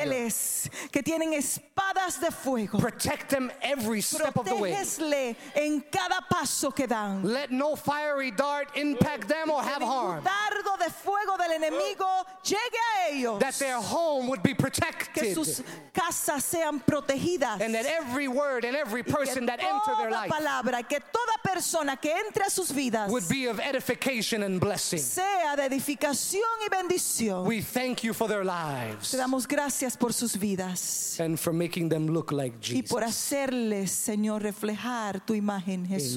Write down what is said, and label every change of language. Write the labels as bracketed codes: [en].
[es] Ángeles que tienen espadas de fuego. [en] Protect them every step of the way. [es] Protégesle en cada paso que dan. [en] Let no fiery dart impact them or have harm. [es] Que dardo de fuego del enemigo llegue a ellos. [en] That their home would be protected. [es] Que sus casas sean protegidas. [en] And that every word and every person that enter their life. [es] Toda palabra que toda persona que entre a sus vidas [en] would be of edification and blessing. [es] Sea de edificación. [en] We thank you for their lives. [es] Te damos gracias por sus vidas. [en] And for making them look like Jesus. [es] Y por hacerles, Señor, reflejar tu imagen, Jesús.